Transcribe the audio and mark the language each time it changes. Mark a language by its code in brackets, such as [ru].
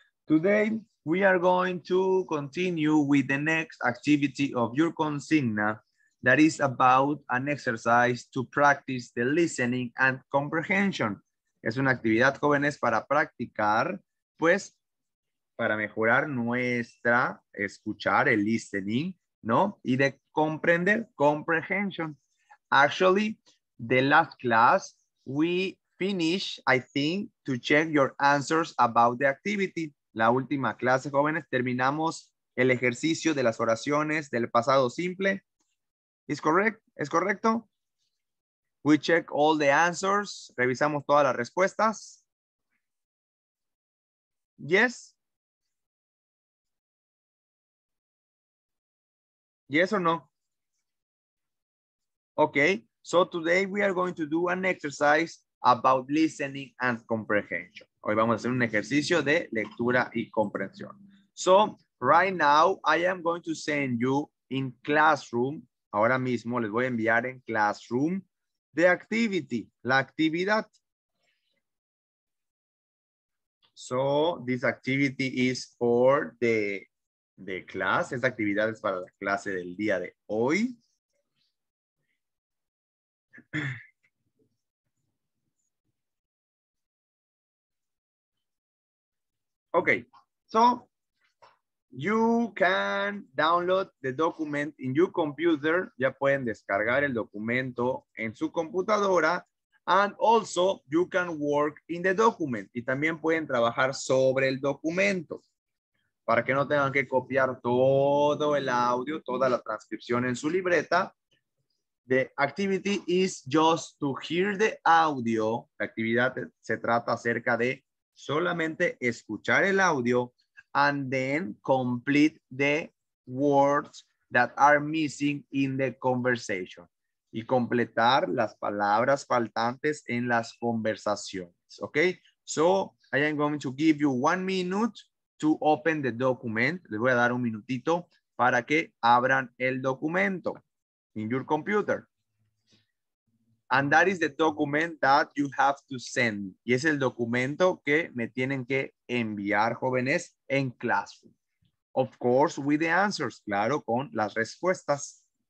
[en] Today, we are going to continue with the next activity of your consigna that is about an exercise to practice the listening and comprehension. [es] Es una actividad, jóvenes, para practicar, pues, para mejorar nuestra escuchar, el listening, ¿no? Y de comprender, comprehension. [en] Actually, the last class, we finish, I think, to check your answers about the activity. [es] La última clase, jóvenes, terminamos el ejercicio de las oraciones del pasado simple. [en] Is correct? [es] ¿Es correcto? [en] We check all the answers. [es] Revisamos todas las respuestas. [en] Yes? Yes or no? Okay, so today we are going to do an exercise about listening and comprehension. [es] Hoy vamos a hacer un ejercicio de lectura y comprensión. [en] So, right now, I am going to send you in classroom, [es] ahora mismo les voy a enviar en classroom, [en] the activity, [es] la actividad. [en] So, this activity is for the class. [es] Esta actividad es para la clase del día de hoy. [en] Okay, so you can download the document in your computer. [es] Ya pueden descargar el documento en su computadora. [en] And also, you can work in the document. [es] Y también pueden trabajar sobre el documento. Para que no tengan que copiar todo el audio, toda la transcripción en su libreta. [en] The activity is just to hear the audio. [es] La actividad se trata acerca de solamente escuchar el audio [en] and then complete the words that are missing in the conversation. [es] Y completar las palabras faltantes en las conversaciones. [en] Okay? So, I am going to give you 1 minute to open the document. [es] Les voy a dar un minutito para que abran el documento [en] in your computer. And that is the document that you have to send. [es] Y es el documento que me tienen que enviar, jóvenes, en classroom. [en] Of course, with the answers. [es] Claro, con las respuestas.